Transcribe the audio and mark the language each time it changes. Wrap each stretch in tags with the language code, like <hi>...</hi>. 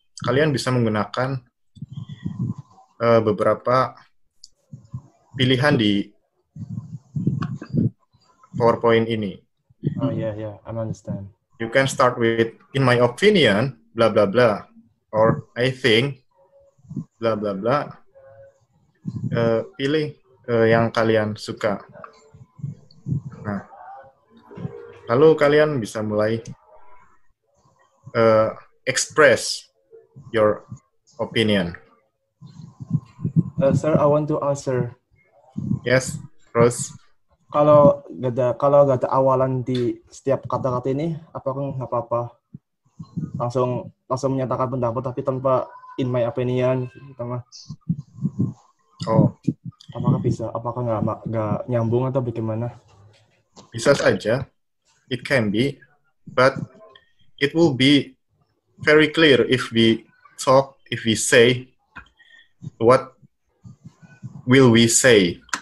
<id>kalian bisa menggunakan beberapa pilihan di PowerPoint ini.</id> <en>Oh yeah, yeah, I understand. You can start with in my opinion, blah blah blah, or I think, blah blah blah.</en> <id>Pilih yang kalian suka. Nah, lalu kalian bisa mulai</id> <en>express your opinion. Sir, I want to answer. Yes, Rose.</en> <id>Kalau gak ada awalan di setiap kata-kata ini, apakah nggak apa-apa? Langsung menyatakan pendapat, tapi tanpa</id> <en>in my opinion,</en> <id>sama. Oh. Apakah bisa? Apakah nggak nyambung atau bagaimana? Bisa saja.</id> <en>It can be, but it will be very clear if we talk, if we say what will we say.</en>